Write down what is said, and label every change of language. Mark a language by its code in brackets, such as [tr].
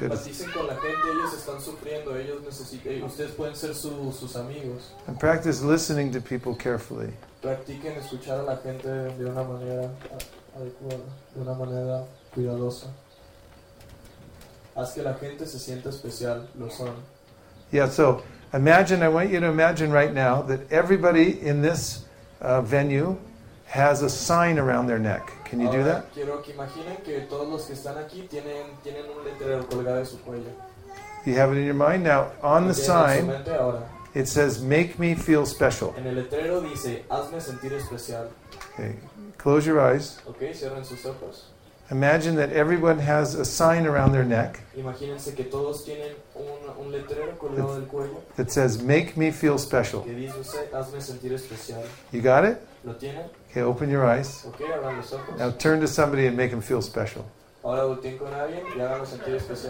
[es] Empaticen con la gente. Ellos están sufriendo. Ellos necesitan. Ustedes pueden ser sus amigos. [en] And practice listening to people carefully. [es] Practiquen escuchar a la gente de una manera adecuada, de una manera cuidadosa. Haz que la gente se sienta especial. Lo son. [en] Yeah, so imagine, I want you to imagine right now that everybody in this venue has a sign around their neck. Can you [es] ahora, [en] do that? [es] Quiero que imaginen que todos los que están aquí tienen un letrero colgado en su cuello. [en] You have it in your mind? Now, on the sign, [es] ahora, [en] it says, make me feel special. [es] En el letrero dice, hazme sentir especial. [en] Okay, close your eyes. [es] Okay, cierren sus ojos. [en] Imagine that everyone has a sign around their neck. [es] Imagínense que todos tienen un letrero colgado del cuello. [en] That says, make me feel special. [es] Que dice, hazme sentir especial. [en] You got it? [es] ¿Lo tienen? [en] Okay, open your eyes. [es] Okay, abran los ojos. [en] Now turn to somebody and make them feel special. [es] Ahora volteen con alguien y háganlo sentir especial.